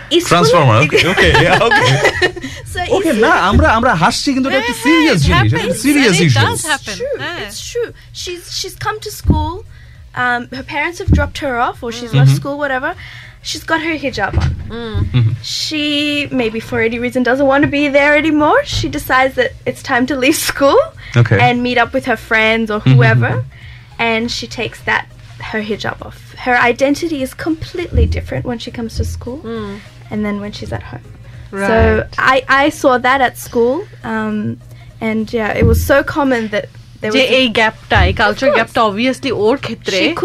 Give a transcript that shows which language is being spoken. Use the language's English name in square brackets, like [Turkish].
[Bangla] Transformer, ওকে ওকে ওকে, so okay, না আমরা আমরা হাসছি কিন্তু এটা একটা সিরিয়াস জিনিস, serious issue, [English] It's true, she is come to school, her parents have dropped her off, or she is left school, whatever, she's got her hijab on. She maybe for any reason doesn't want to be there anymore, she decides that it's time to leave school and meet up with her friends or whoever, and she takes that her hijab off. Her identity is completely different when she comes to school and then when she's at home. So I saw that at school, and yeah, it was so common that [Bangla] যে এই গ্যাপটাই, culture গ্যাপটা obviously ওর ক্ষেত্রে,